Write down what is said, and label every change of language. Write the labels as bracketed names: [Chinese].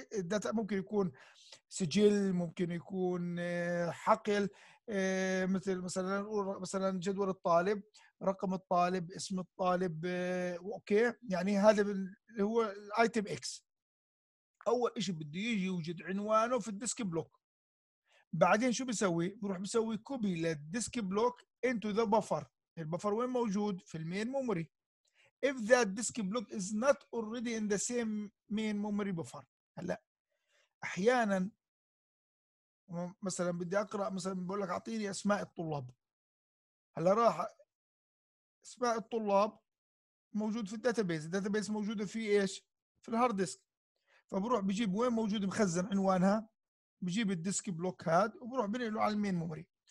[Arabic] الداتا ممكن يكون سجل، ممكن يكون حقل، مثل مثلا مثلا جدول الطالب، رقم الطالب، اسم الطالب. اوكي يعني هذا اللي هو الايتم اكس. اول شيء بده يجي يوجد عنوانه في الديسك بلوك. بعدين شو بيسوي؟ بروح بيسوي كوبي للديسك بلوك انتو ذا بفر. البفر وين موجود؟ في المين ميموري. [English] If that disk block is not already in the same main memory buffer. [Arabic] هلا احيانا مثلا بدي اقرا، مثلا بقول لك اعطيني اسماء الطلاب. هلا راح اسماء الطلاب موجود في الداتابيز، الداتابيز موجوده في ايش؟ في الهارد ديسك. فبروح بجيب وين موجود مخزن عنوانها، بجيب الديسك بلوك هاد وبروح بنقله على المين ميموري.